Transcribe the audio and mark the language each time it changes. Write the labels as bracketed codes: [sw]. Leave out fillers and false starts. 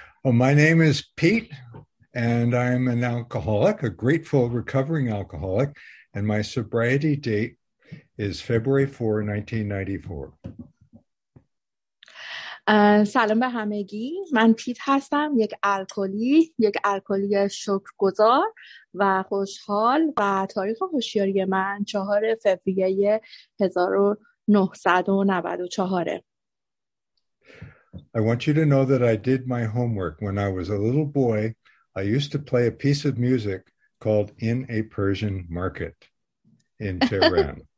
[en] Well, my name is Pete, and I'm an alcoholic, a grateful recovering alcoholic, and my sobriety date is February 4, 1994. [fa] سلام به همگی. من پیت هستم، یک الکلی شکرگزار و خوشحال، و تاریخ هوشیاری من 4 فوریه 1994. [en] I want you to know that I did my homework. When I was a little boy, I used to play a piece of music called In a Persian Market in Tehran.